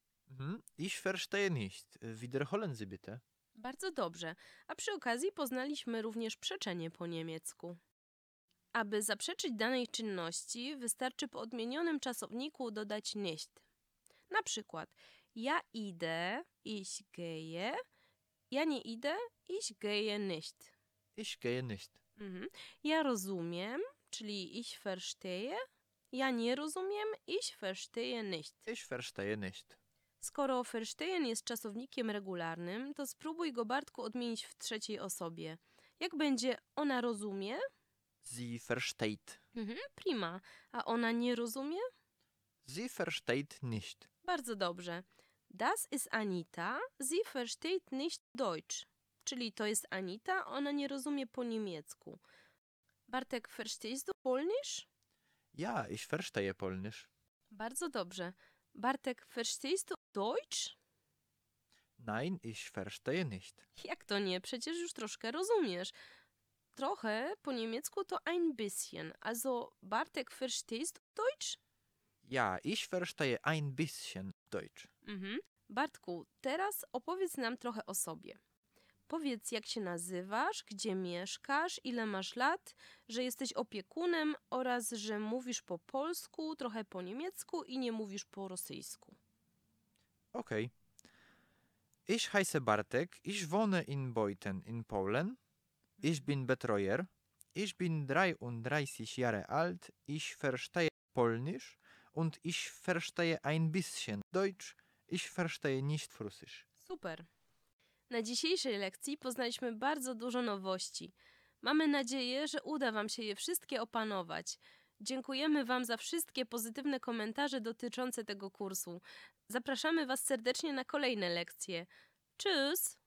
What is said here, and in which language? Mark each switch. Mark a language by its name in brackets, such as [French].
[German] Mhm. Ich verstehe nicht. Wiederholen Sie bitte. [Polish] Bardzo dobrze. A przy okazji poznaliśmy również przeczenie po niemiecku. Aby zaprzeczyć danej czynności, wystarczy po odmienionym czasowniku dodać nicht. Na przykład, ja idę, [German] ich gehe, [Polish] ja nie idę, [German] ich gehe nicht. Ich gehe nicht. [Polish] Mhm. Ja rozumiem, czyli [German] ich verstehe, [Polish] ja nie rozumiem, [German] ich verstehe nicht. Ich verstehe nicht. [Polish] Skoro verstehen jest czasownikiem regularnym, to spróbuj go, Bartku, odmienić w trzeciej osobie. Jak będzie ona rozumie? [German] Sie versteht. [Polish] Mhm, prima. A ona nie rozumie? [German] Sie versteht nicht. [Polish] Bardzo dobrze. [German] Das ist Anita, sie versteht nicht Deutsch. [Polish] Czyli to jest Anita, ona nie rozumie po niemiecku. [German] Bartek, verstehst du Polnisch? Ja, ich verstehe Polnisch. [Polish] Bardzo dobrze. [German] Bartek, verstehst du Deutsch? Nein, ich verstehe nicht. [Polish] Jak to nie? Przecież już troszkę rozumiesz. Trochę po niemiecku to [German] ein bisschen. Also, Bartek, verstehst du Deutsch? Ja, ich verstehe ein bisschen Deutsch. Mhm. [Polish] Bartku, teraz opowiedz nam trochę o sobie. Powiedz, jak się nazywasz, gdzie mieszkasz, ile masz lat, że jesteś opiekunem oraz że mówisz po polsku, trochę po niemiecku i nie mówisz po rosyjsku. [English] Okej. Okay. [German] Ich heiße Bartek, ich wohne in Beuthen in Polen. Ich bin Betreuer. Ich bin 33 Jahre alt. Ich verstehe Polnisch und ich verstehe ein bisschen Deutsch. Ich verstehe nicht Russisch. Super. [Polish] Na dzisiejszej lekcji poznaliśmy bardzo dużo nowości. Mamy nadzieję, że uda Wam się je wszystkie opanować. Dziękujemy Wam za wszystkie pozytywne komentarze dotyczące tego kursu. Zapraszamy Was serdecznie na kolejne lekcje. Tschüss!